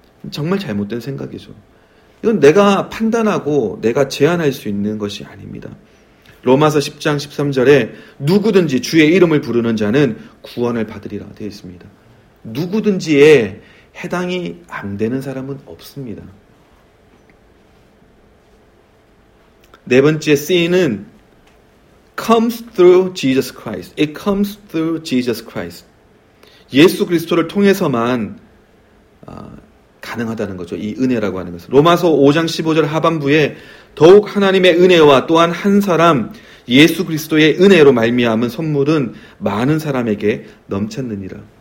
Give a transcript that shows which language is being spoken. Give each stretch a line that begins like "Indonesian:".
Korean: 정말 잘못된 생각이죠. 이건 내가 판단하고 내가 제안할 수 있는 것이 아닙니다. 로마서 10장 13절에 누구든지 주의 이름을 부르는 자는 구원을 받으리라 되어 있습니다. 누구든지에 해당이 안 되는 사람은 없습니다. 네 번째 C는
English: comes through Jesus Christ. It comes through Jesus Christ.
Korean: 예수 그리스도를 통해서만 가능하다는 거죠. 이 은혜라고 하는 것은. 로마서 5장 15절 하반부에 더욱 하나님의 은혜와 또한 한 사람 예수 그리스도의 은혜로 말미암은 선물은 많은 사람에게 넘쳤느니라.